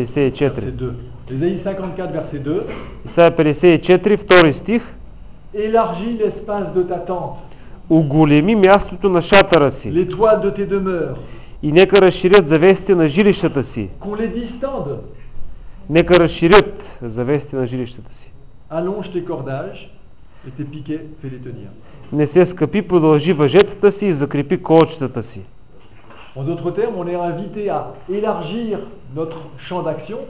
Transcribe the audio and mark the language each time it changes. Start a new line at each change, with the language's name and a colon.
French: Исаия 54, verset 2.
Bulgarian: Исаия 54, втори стих.
French: Élargis l'espace de ta tente.
Bulgarian: Уголеми мястото на шатъра си.
French: Les toits de tes demeures.
Bulgarian: И нека разширят завесите на жилищата си.
French: Qu'on les distende.
Bulgarian: Нека разширят завесите на жилищата си.
French: Allonge tes cordages et tes piquets, fais-les tenir.
Bulgarian: Не се скъпи, продължи въжетата си и закрепи колчетата си.
French: En d'autres termes, on est invité à élargir notre champ d'action.